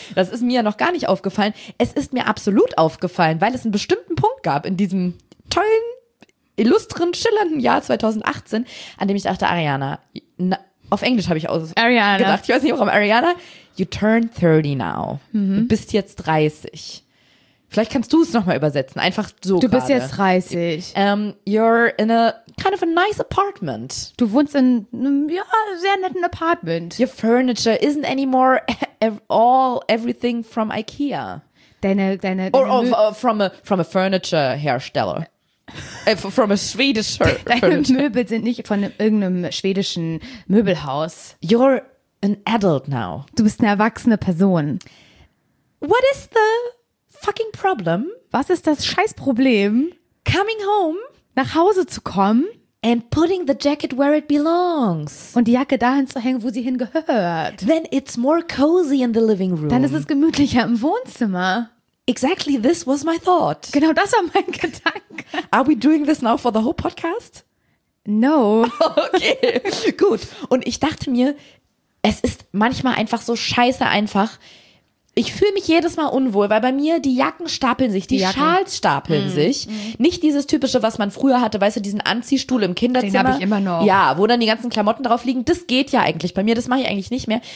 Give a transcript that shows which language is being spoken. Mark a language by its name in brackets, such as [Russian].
[German] Das ist mir ja noch gar nicht aufgefallen. Es ist mir absolut aufgefallen, weil es einen bestimmten Punkt gab in diesem tollen, illustren, schillernden Jahr 2018, an dem ich dachte, Ariana, auf Englisch habe ich Ariana gedacht. Ich weiß nicht, warum. [English] Ariana, you turn 30 now. Mhm. [German] Du bist jetzt 30. Vielleicht kannst du es nochmal übersetzen, einfach so gerade. Du bist jetzt 30. [English] You're in a kind of a nice apartment. [German] Du wohnst in einem sehr netten Apartment. [English] Your furniture isn't anymore all everything from IKEA. From a furniture hersteller. From a Swedish furniture. [German] Deine Möbel sind nicht von irgendeinem schwedischen Möbelhaus. [English] You're an adult now. [German] Du bist eine erwachsene Person. [English] What is the fucking problem? [German] Was ist das Scheißproblem? [English] Coming home. [German] Nach Hause zu kommen. [English] And putting the jacket where it belongs. [German] Und die Jacke dahin zu hängen, wo sie hingehört. [English] Then it's more cozy in the living room. [German] Dann ist es gemütlicher im Wohnzimmer. [English] Exactly, this was my thought. [German] Genau das war mein Gedanke. [English] Are we doing this now for the whole podcast? No. [German] Okay, gut. Und ich dachte mir, es ist manchmal einfach so scheiße einfach. Ich fühle mich jedes Mal unwohl, weil bei mir die Jacken stapeln sich, die Schals stapeln sich. Nicht dieses typische, was man früher hatte, weißt du, diesen Anziehstuhl im Kinderzimmer. Den habe ich immer noch. Ja, wo dann die ganzen Klamotten drauf liegen. Das geht ja eigentlich bei mir, das mache ich eigentlich nicht mehr.